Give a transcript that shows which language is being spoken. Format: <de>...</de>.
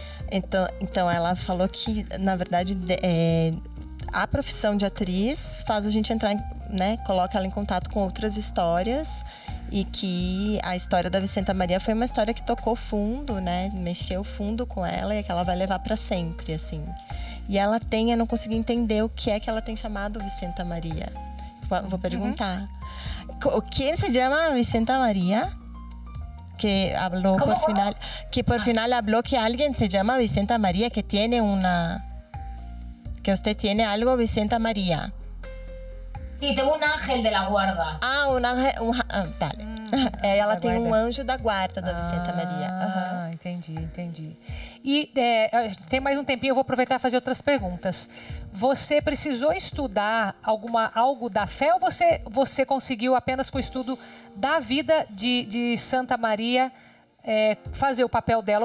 <pt>Então ela falou que, na verdade, a profissão de atriz faz a gente entrar, né, coloca ela em contato com outras histórias, e que a história da Vicenta Maria foi uma história que tocou fundo, né, mexeu fundo com ela, e que ela vai levar para sempre, assim. E ela tem, eu não consigo entender o que é que ela tem chamado Vicenta Maria. Vou perguntar. Uh-huh.</pt> <es>¿Quién se llama Vicenta María? Que habló por final. Que por final habló que alguien se llama Vicenta María, que tiene una. Que usted tiene algo, Vicenta María. Sí, tengo un ángel de la guarda. Ah, un ángel. Dale.</es> <pt>Ela tem um anjo da guarda da Vicenta Maria. Uhum. Entendi. E tem mais um tempinho, eu vou aproveitar e fazer outras perguntas. Você precisou estudar algo da fé, ou você conseguiu apenas com o estudo da vida de Santa Maria fazer o papel dela?</pt>